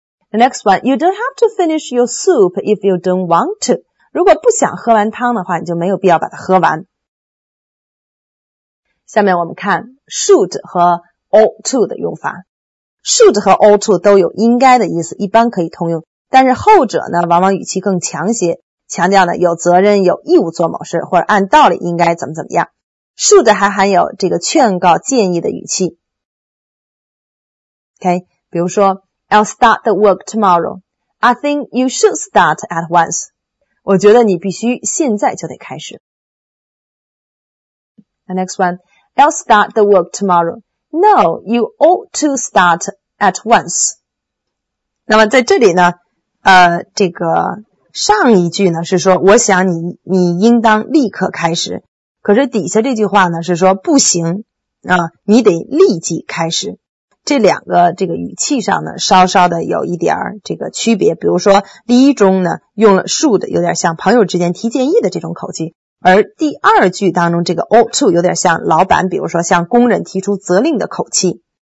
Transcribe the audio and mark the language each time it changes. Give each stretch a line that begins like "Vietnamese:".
English: The next one You don't have to finish your soup if you don't want to
Chinese: 如果不想喝完汤的话你就没有必要把它喝完下面我们看 should 和 ought to 的用法 should 和 ought to 都有应该的意思一般可以通用但是后者呢往往语气更强些强调呢有责任有义务做某事或者按道理应该怎么怎么样 should 还含有这个劝告建议的语气
English: OK
Chinese: 比如说
English: I'll start the work tomorrow I think you should start at once
Chinese: 我觉得你必须现在就得开始
English: The next one I'll start the work tomorrow No, you ought to start at once
Chinese: 那么在这里呢这个上一句呢是说我想你应当立刻开始可是底下这句话呢是说不行啊，你得立即开始这两个这个语气上呢稍稍的有一点这个区别比如说第一中呢用了 should 有点像朋友之间提建议的这种口气而第二句当中这个 ought to 有点像老板比如说向工人提出责令的口气